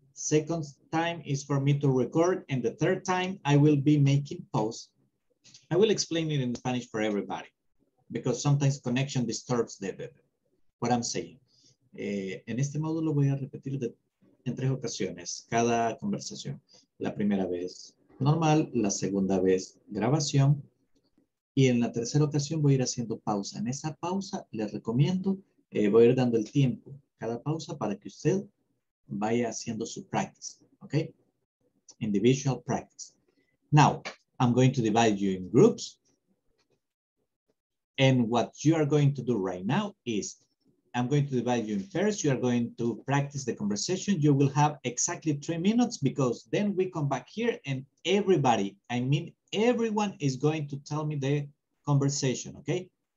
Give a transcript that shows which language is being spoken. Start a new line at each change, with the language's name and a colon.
English: Second time is for me to record, and the third time I will be making posts. I will explain it in Spanish for everybody, because sometimes connection disturbs what I'm saying.
Spanish: En este módulo voy a repetir en tres ocasiones cada conversación. La primera vez normal, la segunda vez grabación, y en la tercera ocasión voy a ir haciendo pausa. En esa pausa les recomiendo, voy a ir dando el tiempo cada pausa para que usted vaya haciendo su practice, okay?
English: Individual practice. Now, I'm going to divide you in groups. And what you are going to do right now is, I'm going to divide you in pairs. You are going to practice the conversation. You will have exactly 3 minutes, because then we come back here and everybody, I mean, everyone is going to tell me the conversation, okay?